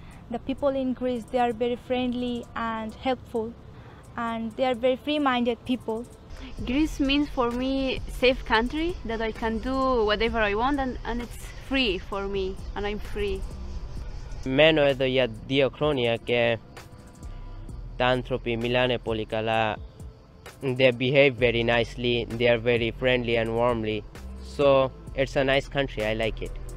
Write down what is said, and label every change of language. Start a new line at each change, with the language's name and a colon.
English: The people in Greece, they are very friendly and helpful, and they are very free-minded people. Greece means for me safe country, that I can do whatever I want and it's free for me, and I'm free.
Greek: Μένω εδώ για 2 χρόνια και τα άνθρωποι μιλάνε πολύ καλά.
English: They behave very nicely, they are very friendly and warmly. So it's a nice country, I like it.